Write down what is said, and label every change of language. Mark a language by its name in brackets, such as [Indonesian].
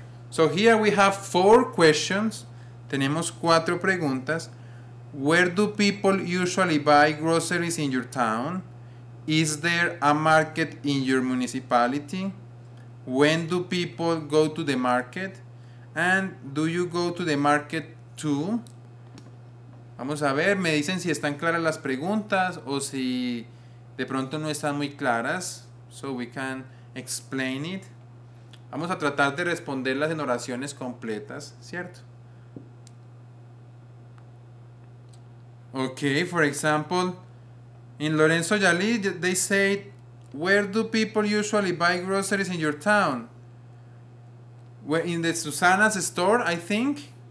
[English] So here we have four questions. [Spanish] Tenemos cuatro preguntas. [English] Where do people usually buy groceries in your town? Is there a market in your municipality? When do people go to the market? And do you go to the market too? [Spanish] Vamos a ver, me dicen si están claras las preguntas o si de pronto no están muy claras. [English] So we can explain it. [Spanish] Vamos a tratar de responderlas en oraciones completas, ¿cierto? [English] Okay, for example, in Lorenzo Yalí, they say, where do people usually buy groceries in your town? Where, in the Susana's store, I think.